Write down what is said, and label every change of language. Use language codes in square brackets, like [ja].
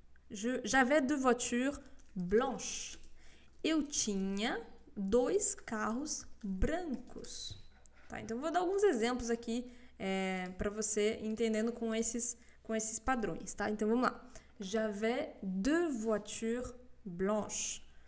[fr] J'avais deux voitures blanches. [pt] Eu tinha dois carros brancos. Tá, então vou dar alguns exemplos aqui para você entendendo com esses padrões, tá? Então vamos lá. [fr] J'avais deux voitures blanches.